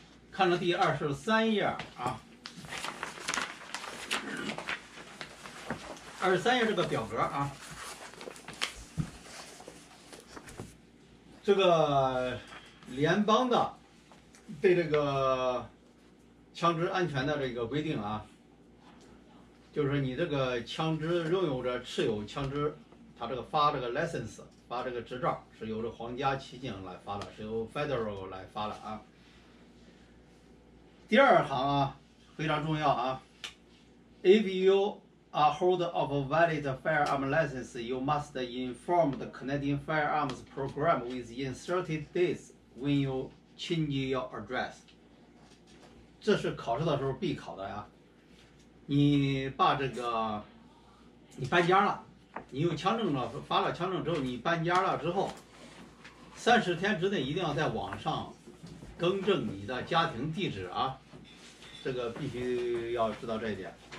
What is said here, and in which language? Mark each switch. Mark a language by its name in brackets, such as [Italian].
[Chinese] 看着第23页啊，23页这个表格啊，这个联邦的对这个枪支安全的这个规定啊，就是你这个枪支拥有着持有枪支，他这个发这个 license。发这个执照是由这皇家骑警来发的，是由 federal 来发的啊。第二行啊，非常重要啊。 [English] If you are holder of a valid firearm license, you must inform the Canadian Firearms Program within 30 days when you change your address， [Chinese] 这是考试的时候必考的呀。你把这个，你搬家了，你有枪证了，发了枪证之后，你搬家了之后，30天之内一定要在网上更正你的家庭地址啊，这个必须要知道这一点。